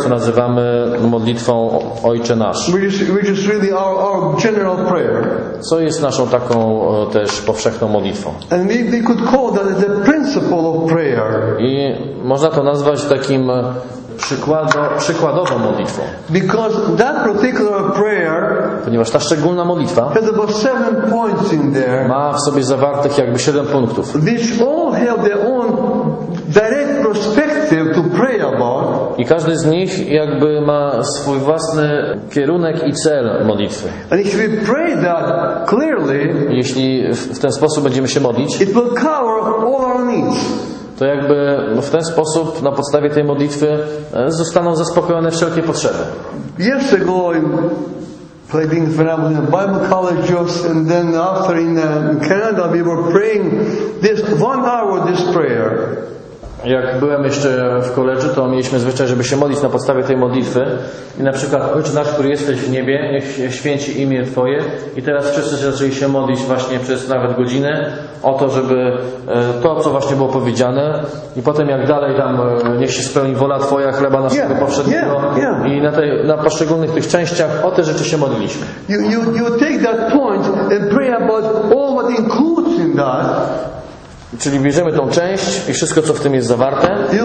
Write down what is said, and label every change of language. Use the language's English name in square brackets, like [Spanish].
[Polish] Co nazywamy modlitwą Ojcze Nasz. [English] Which is really our general prayer. [Polish] Co jest naszą taką też powszechną modlitwą. [English] And we could call that the principle of prayer. [Polish] I można to nazwać takim przykładową modlitwą. [English] Because that particular prayer, [Polish] ponieważ ta szczególna modlitwa [English] has about seven points in there, [Polish] ma w sobie zawartych jakby 7 punktów, [English] which all have their own direct perspective to pray about. [Polish] I każdy z nich jakby ma swój własny kierunek i cel modlitwy. [English] And if we pray that clearly, [Polish] jeśli w ten sposób będziemy się modlić, [English] it will cover all our needs. [Polish] To jakby w ten sposób na podstawie tej modlitwy zostaną zaspokojone wszelkie potrzeby. Jeszcze go [English] played in the Bible college, and then after in Canada we were praying this one hour this prayer. [Polish] Jak byłem jeszcze w koledżu, to mieliśmy zwyczaj, żeby się modlić na podstawie tej modlitwy. I na przykład, Ojcze nasz, który jesteś w niebie, niech święci imię Twoje. I teraz wszyscy zaczęli się modlić właśnie przez nawet godzinę o to, żeby to, co właśnie było powiedziane. I potem jak dalej tam, niech się spełni wola Twoja, chleba naszego powszedniego. I na poszczególnych tych częściach o te rzeczy się modliliśmy. [English] You take that point and pray about all what includes in that. [Polish] Czyli bierzemy tą część i wszystko, co w tym jest zawarte.